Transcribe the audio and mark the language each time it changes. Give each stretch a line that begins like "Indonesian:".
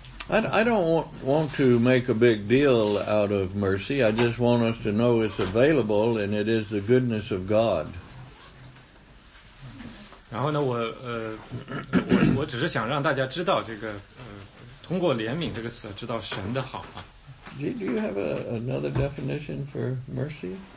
English: I don't want to make a big deal out of mercy. I just want us to know it's available and it is the goodness of God.
Chinese: 然后呢，我只是想让大家知道这个通过怜悯这个词知道神的好啊。
English: Do you have another definition for mercy?